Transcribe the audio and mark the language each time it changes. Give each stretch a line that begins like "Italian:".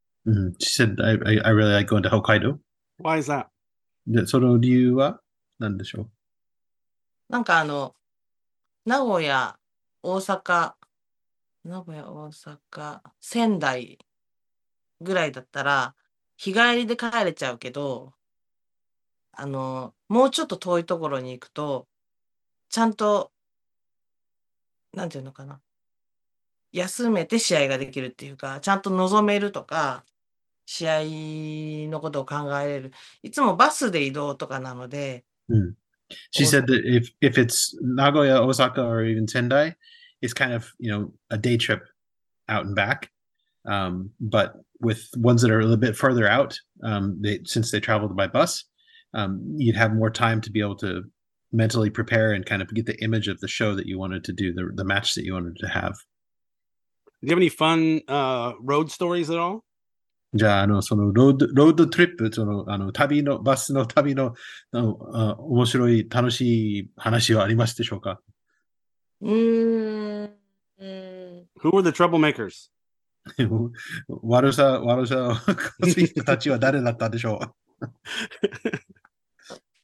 English: She said, I really like going to Hokkaido. Why is that?
Japanese: で、その理由は何でしょう。なんか名古屋、大阪、仙台ぐらいだったら、日帰りで帰れちゃうけど、もうちょっと遠いところに行くと、ちゃんと、なんていうのかな、休めて試合ができるっていうか、ちゃんと望めるとか、試合のことを考えれる。いつもバスで移動とかなので、
English: She
Japanese: 大
English: said that
Japanese: 阪。
English: if it's Nagoya, Osaka, or even Sendai, it's kind of, a day trip out and back. But with ones that are a little bit further out, since they traveled by bus, you'd have more time to be able to mentally prepare and kind of get the image of the show that you wanted to do, the match that you wanted to have. Do you have any fun road stories at all?
Japanese: じゃあ、そのロードトリップ、旅の、バスの旅の、面白い、楽しい話はありますでしょうか？
English: Who were the troublemakers?
Japanese: 悪さを起こす人たちは誰だったでしょう？